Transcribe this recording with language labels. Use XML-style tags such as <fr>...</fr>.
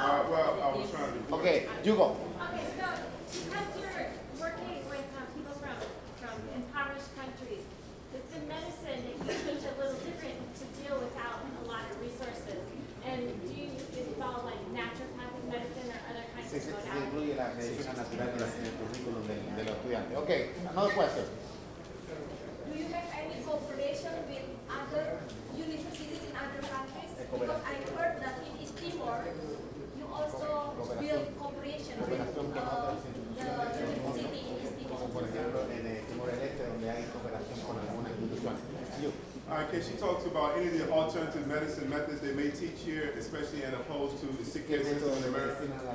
<en>Well, I was trying to. Okay, you go. Okay, so because you're working with people from impoverished countries, it's the medicine that you teach a little different to deal without a lot of resources. And do you involve like naturopathic medicine or other kinds of modalities?</en> <es>Sí, incluye la medicina natural en el currículum de los estudiantes.</es> <en>Okay, another question. Do you have any cooperation with other universities in other countries? Because I heard that in East Timor, you also build cooperation with the university.</en> <es>Por ejemplo, en el Timor Este, donde hay cooperación con algunas instituciones.</es> <en>Can she talk about any of the alternative medicine methods they may teach here, especially as opposed to the sick care system in America?</en>